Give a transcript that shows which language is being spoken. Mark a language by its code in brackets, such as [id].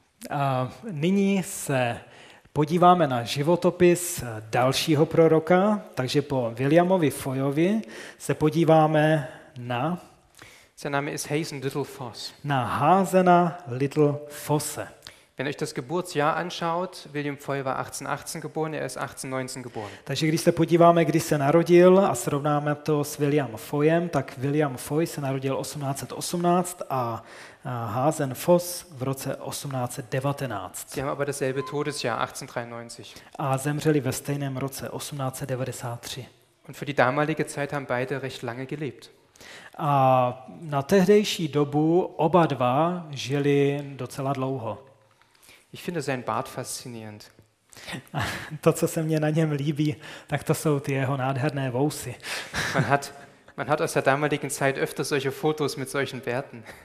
[cs] A nyní se podíváme na životopis dalšího proroka, takže po Williamovi Foyovi se podíváme na [de] sein Name ist Hazen Little Foss. [cs] Na Hazena Little Fosse. [de] Wenn euch das Geburtsjahr anschaut, William Foy war 1818 geboren, er ist 1819 geboren. [cs] Takže když se podíváme, kdy se narodil a srovnáme to s William Foyem, tak William Foy se narodil 1818 a Hazen Foss v roce 1819. [de] Sie haben aber dasselbe Todesjahr 1893. [cs] A zemřeli ve stejném roce 1893. [de] Und für die damalige Zeit haben beide recht lange gelebt. [cs] A na tehdejší dobu oba dva žili docela dlouho. [de] Ich finde sein Bart faszinierend. [cs] To, co se mně na něm líbí, tak to jsou ty jeho nádherné vousy. [de] Man hat aus der damaligen Zeit öfter solche Fotos mit solchen Bärten.